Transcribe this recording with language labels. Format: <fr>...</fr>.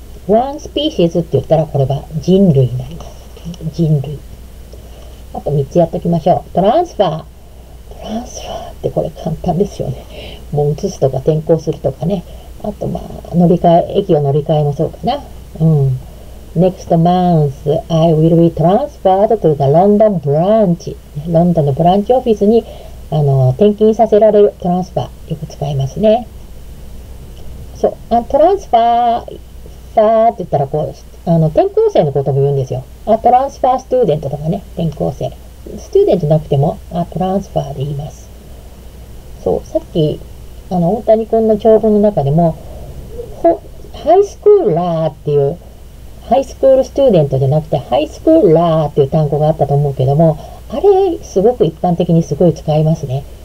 <ja>ワンスピーシーズって言ったらこれは人類なんです。人類。あと3つやっておきましょう。トランスファー。トランスファーってこれ簡単ですよね。もう移すとか転校するとかね。あとまあ乗り換え、駅を乗り換えもそうかな。うん。</ja> <en>Next month, I will be transferred to the London branch.</en> <ja>ロンドンのブランチオフィスに転勤させられる。トランスファー。よく使いますね。そう。トランスファー。って言ったらこう転校生のことも言うんですよ。あ、トランスファーストゥーデントとかね、転校生。ストゥーデントなくても、あ、トランスファーで言います。そう、さっき、大谷君の長文の中でも、ハイスクーラーっていう、ハイスクールストゥーデントじゃなくて、ハイスクーラーっていう単語があったと思うけども、あれ、すごく一般的にすごい使いますね。</ja>